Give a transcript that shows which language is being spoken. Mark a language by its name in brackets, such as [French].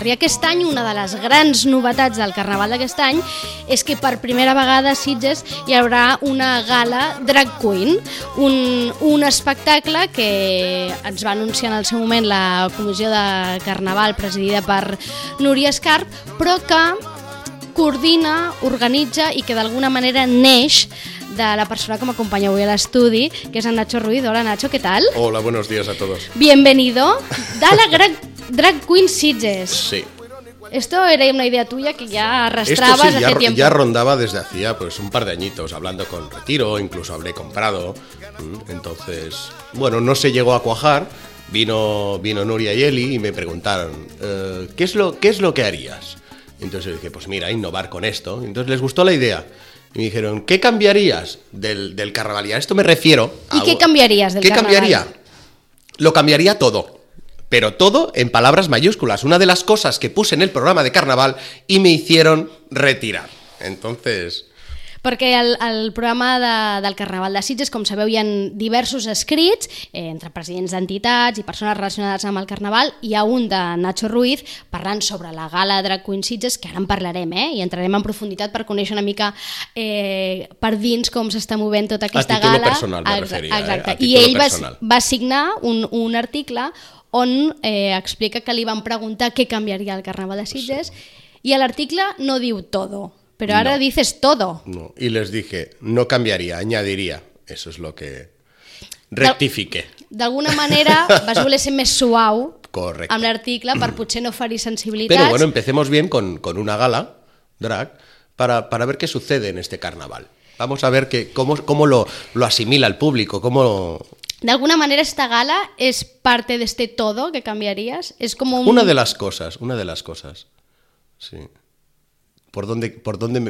[Catalan] I aquest any, una de les grans novetats del carnaval d'aquest any és que per primera vegada a Sitges hi haurà una gala drag queen, un espectacle que ens va anunciar en el seu moment la comissió de carnaval presidida per Núria Escarp, però que coordina, organitza i que d'alguna manera neix de la persona que m'acompanya avui a l'estudi, que és en Nacho Ruiz. Hola, Nacho, què tal? [Spanish] Hola, buenos días a todos. Bienvenido de la Drag Queen Sitges. Sí. Esto era una idea tuya que ya arrastrabas. Esto sí, ya rondaba desde hacía pues un par de añitos, hablando con Retiro, incluso hablé con Prado. Entonces, bueno, no se llegó a cuajar. Vino Nuria y Eli y me preguntaron, ¿qué es lo que harías? Entonces dije, pues mira, innovar con esto. Entonces les gustó la idea. Y me dijeron, ¿qué cambiarías del carnaval? Y a esto me refiero. ¿Y qué cambiarías del carnaval? ¿Qué cambiaría? Lo cambiaría todo. Pero todo en palabras mayúsculas. Una de las cosas que puse en el programa de carnaval y me hicieron retirar. Entonces... [Catalan] Perquè el programa del Carnaval de Sitges, com sabeu, hi ha diversos escrits entre presidents d'entitats i persones relacionades amb el Carnaval. Hi ha un de Nacho Ruiz parlant sobre la gala Drag Queen Sitges, que ara en parlarem, i entrarem en profunditat per conèixer una mica per dins com s'està movent tota aquesta gala. A títol personal, m'referia. Exacte. I ell va signar un article on explica que li van preguntar què canviaria el Carnaval de Sitges, sí. I a l'article no diu todo. [Spanish] Pero ahora no, dices todo. No. Y les dije, no cambiaría, añadiría. Eso es lo que rectifiqué. De alguna manera [Catalan] vas voler ser més suau. [Spanish] Correcto. [Catalan] Amb l'article per potser no fer-hi sensibilitats. [Spanish] Pero bueno, empecemos bien con una gala drag para ver qué sucede en este carnaval. Vamos a ver cómo lo asimila el público, cómo... De alguna manera esta gala es parte de este todo que cambiarías, es como una de las cosas. Sí. ¿Por dónde me